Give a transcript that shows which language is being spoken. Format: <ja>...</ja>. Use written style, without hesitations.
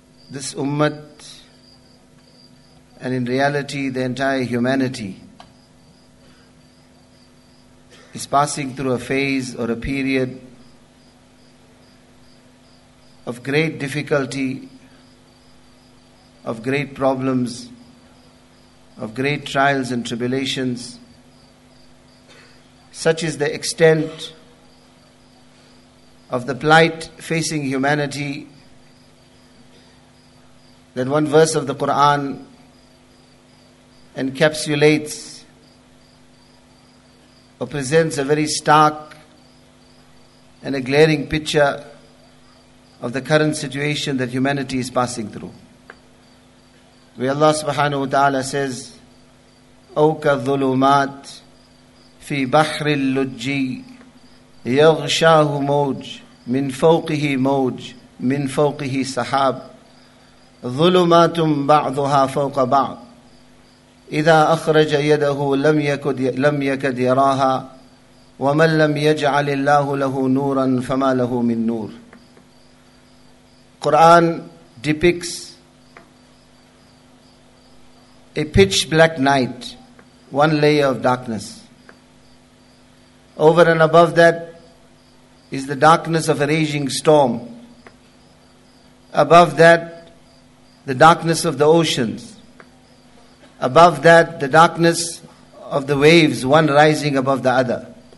<en>this ummah and in reality the entire humanity is passing through a phase or a period of great difficulty, of great problems, of great trials and tribulations. Such is the extent of the plight facing humanity that one verse of the Quran encapsulates or presents a very stark and a glaring picture of the current situation that humanity is passing through. Where Allah subhanahu wa ta'ala says,</en> <ar>أَوْ كَالظُّلُمَاتِ فِي بَحْرِ اللُّجِّ يَغْشَاهُ مَوْجْ مِنْ فَوْقِهِ مَوْجْ مِنْ فَوْقِهِ سَحَابْ ظُلُمَاتٌ بَعْضُهَا فَوْقَ بَعْضٍ إِذَا أَخْرَجَ يَدَهُ لَمْ يَكَدْ يَرَاهَا وَمَنْ لَمْ يَجْعَلِ اللَّهُ لَهُ نُورًا فَمَا لَهُ مِنْ نُورٍ</ar> <en>Quran depicts a pitch black night, one layer of darkness. Over and above that is the darkness of a raging storm. Above that, the darkness of the oceans. Above that, the darkness of the waves, one rising above the other.</en>